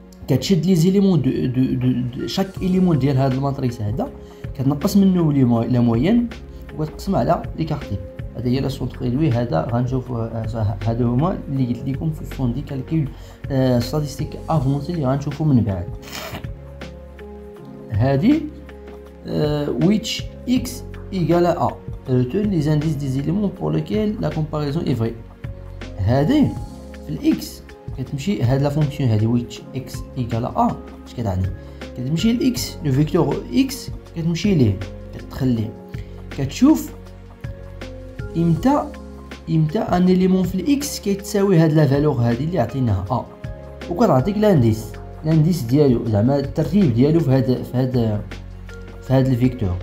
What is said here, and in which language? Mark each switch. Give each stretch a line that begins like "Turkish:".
Arabic: كتشد لي زيليمون دو شاك اليمون ديال هاد الماتريس هذا كتنقص منه لا مويان وتقسم على لي كارتيب. هذا هي لا سونتريلوي هذا غنشوفوه. هذا هما اللي قلت لكم في الفون دي كالكول ستاتستيك افونسي اللي غنشوفو من بعد.
French: هادي which x equal a return les indices des éléments pour lesquels la comparaison est vraie.
Arabic: هادي في x كتمشي هاد لا فونكسيون هادي which x equal a اش كتعني؟ كتمشي ل x لو فيكتور x كتمشي ليه كتخلي كتشوف امتى ان اليمون في x كيتساوي هاد لا فالور هادي اللي عطيناها a وكنعطيك لانديس لانديس ديالو زعما الترتيب ديالو في هاد الفيكتور.